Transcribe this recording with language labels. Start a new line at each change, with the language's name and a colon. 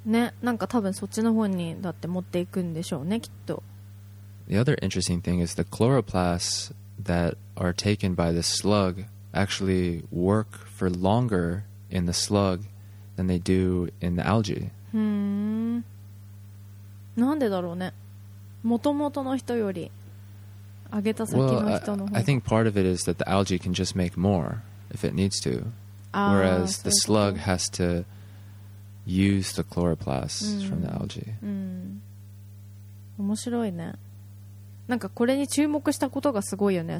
Japanese: ね、なんか多分そっちの方にだって持っていくんでしょうね、きっと。
English: The other interesting thing is the chloroplasts that are taken by the slug actually work for longer in the slug than they do in the algae.
Japanese: なんでだろうね。元々の人より揚げた先の人の方が。
English: Well, I think part of it is that the algae can just make more. If it needs to, whereas the slug has to use the chloroplasts from the algae.
Japanese: 面白いね。なんかこれに注目したことがすごいよね。